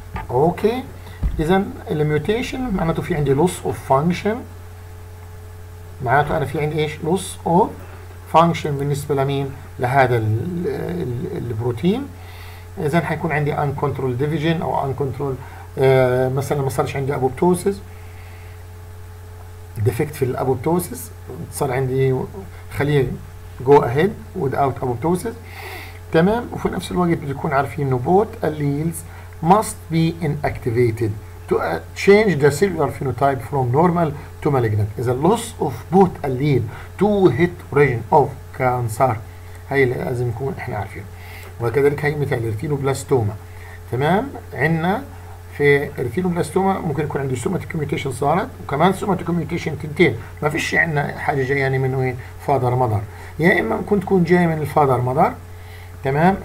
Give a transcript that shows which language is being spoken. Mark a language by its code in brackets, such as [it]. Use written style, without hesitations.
[ar] اوكي، اذا الميوتيشن معناته في عندي لوس اوف فانكشن، معناته انا في عندي ايش، لوس اوف فانكشن بالنسبه لمين، لهذا البروتين. اذا حيكون عندي ان كنترول ديفيجن او ان كنترول، مثلا ما صارش عندي ابوبتوسيس، ديفكت في الابوبتوسيس، صار عندي خليه جو اهيد ود اوت ابوبتوسيس، تمام. وفي نفس الوقت بيكون عارفين انه بوت الليلز [en] must be inactivated to change the cellular phenotype from normal to malignant. إذا loss of both allele to hit region of cancer، [ar] هاي لازم نكون احنا عارفين. وكذلك هاي مثال الريتينوبلاستوما، تمام. عندنا في الريتينوبلاستوما ممكن يكون عنده somatic mutation صارت، وكمان somatic mutation تنتين، ما فيش عندنا حاجة جاية يعني من وين، father mother، يا إما ممكن تكون جاية من الفادر mother، تمام.